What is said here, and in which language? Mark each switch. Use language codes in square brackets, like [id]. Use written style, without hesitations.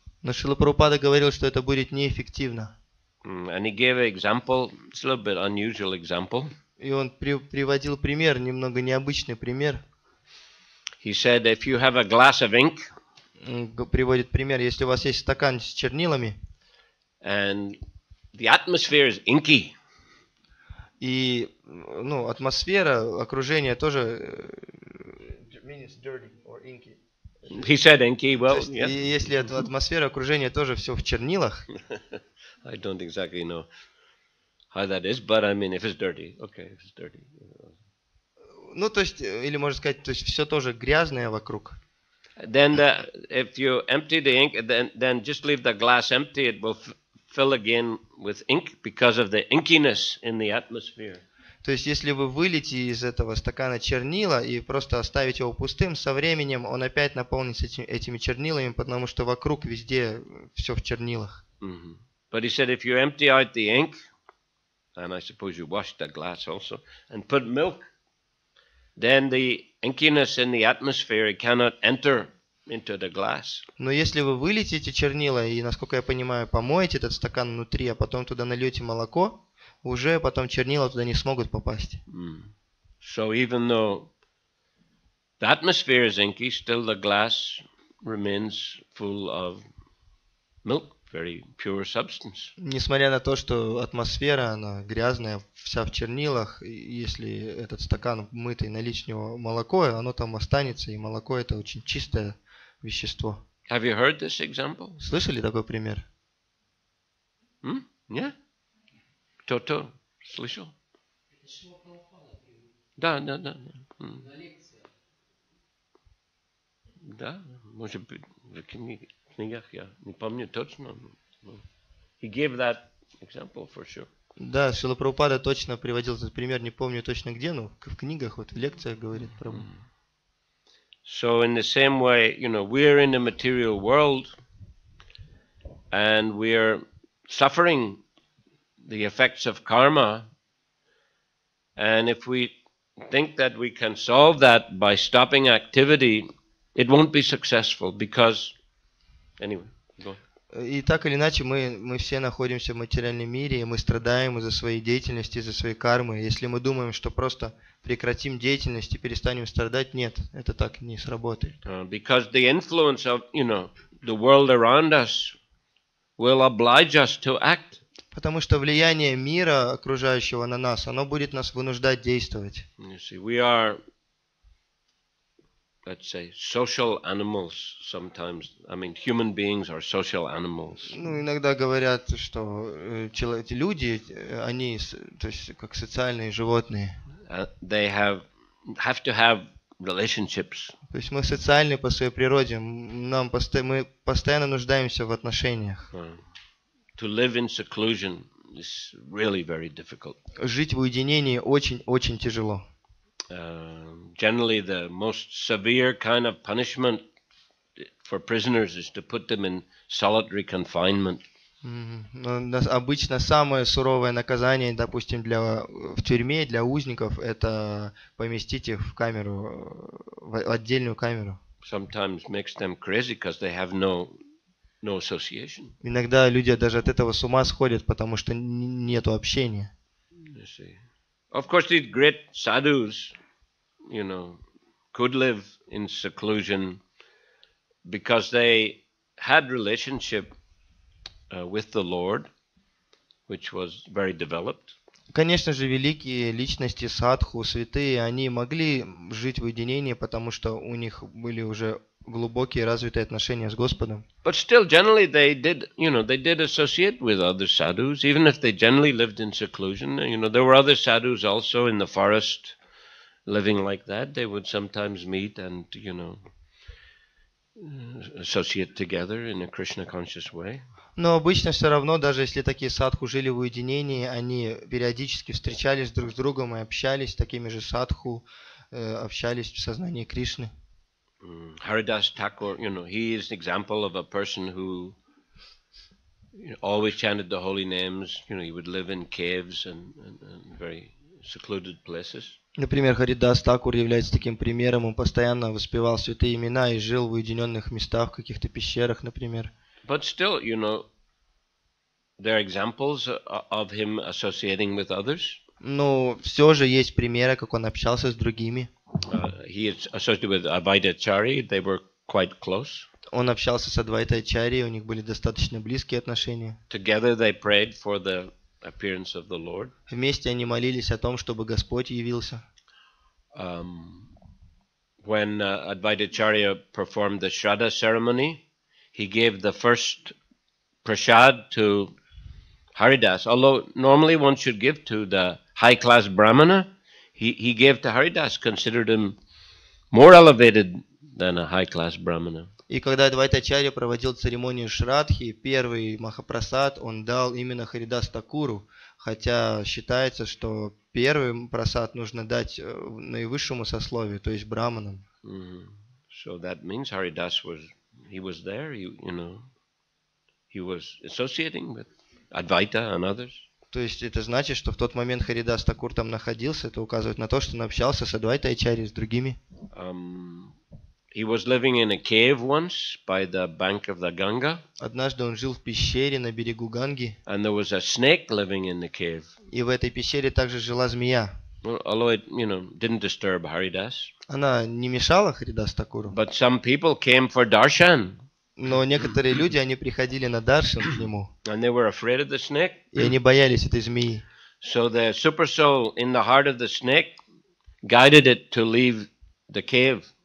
[ru] Но Шрила Прабхупада говорил, что это будет неэффективно. [en] And he gave an example, it's a little bit unusual example. [ru] И он приводил пример, немного необычный пример. [en] He said, if you have a glass of ink, [ru] приводит пример, если у вас есть стакан с чернилами, [en] and the atmosphere is inky, [ru] и ну атмосфера, окружение тоже [en] means dirty or inky. He said inky. Well, yeah. [ru] Если атмосфера, окружение тоже все в чернилах. [en] I don't exactly know how that is, but I mean, if it's dirty, okay, if it's dirty. [ru] Ну, то есть, или можно сказать, то есть все тоже грязное вокруг. [en] Then the, if you empty the ink, then just leave the glass empty, it will fill again with ink because of the inkiness in the atmosphere. [ru] То есть, если вы вылете из этого стакана чернила и просто оставите его пустым, со временем он опять наполнится этими чернилами, потому что вокруг везде все в чернилах. Mm-hmm. [en] But he said, if you empty out the ink, and I suppose you wash the glass also, and put milk, then the inkiness in the atmosphere cannot enter into the glass. [ru] Но если вы вылетите чернила и, насколько я понимаю, помоете этот стакан внутри, а потом туда нальете молоко, уже потом чернила туда не смогут попасть. Mm. [en] So even though the atmosphere is inky, still the glass remains full of milk, very pure substance. [ru] Несмотря на то, что атмосфера она грязная, вся в чернилах, если этот стакан мытый, налить в него молоко, оно там останется, и молоко это очень чистое вещество. [en] Have you heard this example? [ru] Слышали такой пример? Hmm? [en] Yeah. [ru] Кто-то слышал? Да. Да, может быть, в книгах, я не помню точно. [en] He gave that example for sure. [ru] Да, Шрила Прабхупада точно приводил этот пример, не помню точно где, но в книгах, вот в лекциях говорит про. [en] So in the same way, you know, we are in the material world and we are suffering the effects of karma, and if we think that we can solve that by stopping activity, it won't be successful because anyway, go on. [ru] И так или иначе, мы все находимся в материальном мире, и мы страдаем из-за своей деятельности, из-за своей кармы. Если мы думаем, что просто прекратим деятельность и перестанем страдать, нет, это так не сработает. [en] Because the influence of, you know, the world around us will oblige us to act. [ru] Потому что влияние мира, окружающего на нас, оно будет нас вынуждать действовать. [en] You see, we are, let's say, social animals sometimes. I mean, human beings are social animals. [ru] Ну, иногда говорят, что люди, они, то есть, как социальные животные. [en] They have to have relationships. [ru] То есть, мы социальны по своей природе. Мы постоянно нуждаемся в отношениях. [en] To live in seclusion is really very difficult. [ru] Жить в уединении очень-очень тяжело. [en] Generally, the most severe kind of punishment for prisoners is to put them in solitary confinement. [ru] Обычно самое суровое наказание, допустим, для в тюрьме для узников, это поместить их в камеру, в отдельную камеру. [en] Sometimes makes them crazy because they have no association. [ru] Иногда люди даже от этого с ума сходят, потому что нету общения. [en] Of course, these great sadhus, you know, could live in seclusion because they had relationship with the Lord, which was very developed. [ru] Конечно же, великие личности, садху, святые, они могли жить в уединении, потому что у них были уже глубокие развитые отношения с Господом. [en] But still, generally, they did, you know, they did associate with other sadhus, even if they generally lived in seclusion. You know, there were other sadhus also in the forest. living like that, they would sometimes meet and, you know, associate together in a Krishna conscious way. [ru] Но обычно все равно, даже если такие садху жили в уединении, они периодически встречались друг с другом и общались, такими же садху общались в сознании Кришны. [en] Haridas Thakur, you know, he is an example of a person who always chanted the holy names. You know, he would live in caves and very secluded places. [ru] Например, Харидас Такур является таким примером. Он постоянно воспевал святые имена и жил в уединенных местах, в каких-то пещерах, например. [en] But still, you know, there are examples of him associating with others. [ru] Но все же есть примеры, как он общался с другими. [en] He is associated with Advaita Chari. They were quite close. [ru] Он общался с Адвайта Ачари, у них были достаточно близкие отношения. [en] Together they prayed for the appearance of the Lord. [ru] Вместе они молились о том, чтобы Господь явился. [en] When Advaita Acharya performed the Shraddha ceremony, he gave the first prasad to Haridas. Although normally one should give to the high class brahmana, he gave to Haridas, considered him more elevated than a high class brahmana. [ru] И когда Адвайта Ачарья проводил церемонию Шрадхи, первый Махапрасад он дал именно Харидас Такуру, хотя считается, что первый Прасад нужно дать наивысшему сословию, то есть Брахманам. Mm-hmm. [en] So that means Haridas was, he was there, you know, he was associating with Advaita and others. [ru] То есть это значит, что в тот момент Харидас Такур там находился, это указывает на то, что он общался с Адвайта Ачарьей, с другими. [en] He was living in a cave once by the bank of the Ganga. [ru] Однажды он жил в пещере на берегу Ганги. [en] And there was a snake living in the cave. [ru] И в этой пещере также жила змея. [en] Although it, you know, didn't disturb Haridas. [ru] Она не мешала Харидас Такуру. [en] But some people came for darshan. [ru] Но некоторые люди они приходили на даршан к нему. [en] And they were afraid of the snake. [ru] И они боялись этой змеи. [en] So the super soul in the heart of the snake guided it to leave the cave.